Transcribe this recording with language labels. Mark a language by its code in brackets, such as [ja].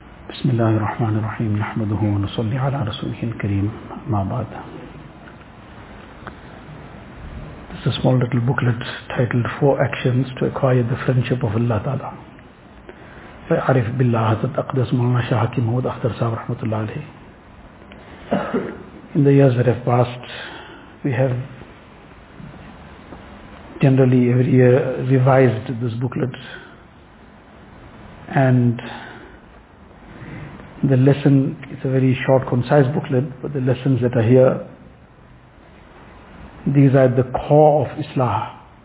[ar] بسم الله الرحمن الرحيم نحمده ونصلي على رسوله الكريم ما بعد. [en] This is a small little booklet titled Four Actions to Acquire the Friendship of Allah Ta'ala. [ar] فأعرف بالله حضرت أقدس مولانا شاه حكيم محمود أخضر صاحب رحمة الله عليه. [en] In the years that have passed, we have generally every year revised this booklet, and the lesson, it's a very short, concise booklet, but the lessons that are here, these are at the core of Islam.